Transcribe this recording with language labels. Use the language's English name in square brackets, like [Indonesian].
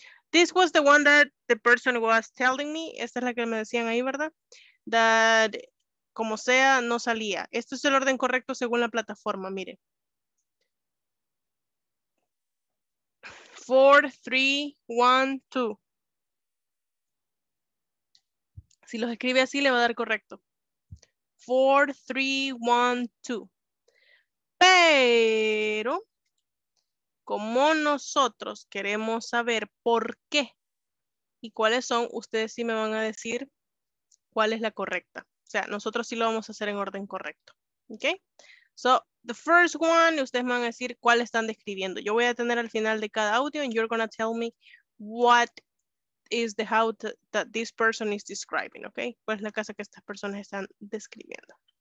[English] This was the one that the person was telling me. [Spanish] Esta es la que me decían ahí, ¿verdad? That, como sea, no salía. Esto es el orden correcto según la plataforma, mire. 4, 3, 1, 2. Si los escribe así, le va a dar correcto. 4, 3, 1, 2. Pero, como nosotros queremos saber por qué y cuáles son, ustedes sí me van a decir cuál es la correcta. O sea, nosotros sí lo vamos a hacer en orden correcto. ¿Ok? [English] So, the first one, [Spanish] ustedes me van a decir cuál están describiendo. Yo voy a tener al final de cada audio [English] and you're going to tell me what is the how to, that this person is describing, okay? [Spanish] ¿Cuál es la casa que estas personas están describiendo?